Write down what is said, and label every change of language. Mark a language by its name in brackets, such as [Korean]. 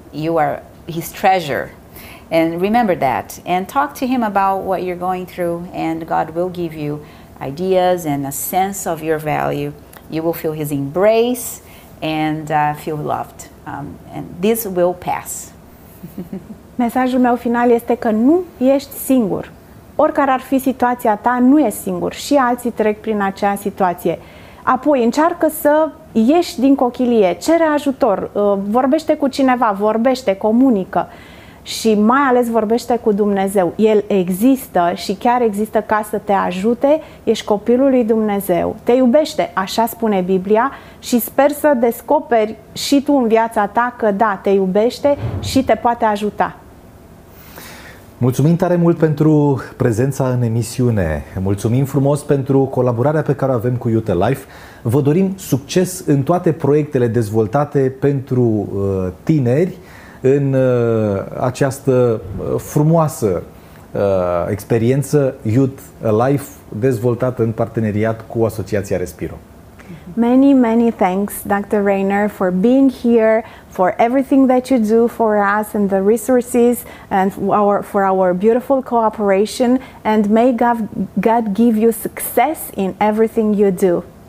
[English] You are His treasure. And remember that. And talk to Him about what you're going through. And God will give you ideas and a sense of your value. You will feel His embrace and feel loved. And this will pass. [Romanian] Mesajul meu final este că nu ești singur. Oricare ar fi situația ta, nu ești singur. Și alții trec prin acea situație. Apoi, încearcă să ieși din cochilie, cere ajutor, vorbește cu cineva, vorbește, comunică și mai ales vorbește cu Dumnezeu. El există și chiar există ca să te ajute, ești copilul lui Dumnezeu, te iubește, așa spune Biblia, și sper să descoperi și tu în viața ta că da, te iubește și te poate ajuta. Mulțumim tare mult pentru prezența în emisiune, mulțumim frumos pentru colaborarea pe care o avem cu Youth Life. Vă dorim succes în toate proiectele dezvoltate pentru tineri în această frumoasă experiență Youth Life dezvoltată în parteneriat cu Asociația Respiro. [English] Many, many thanks, Dr. Rainer, for being here, for everything that you do for us and the resources and for our beautiful cooperation. And may God give you success in everything you do.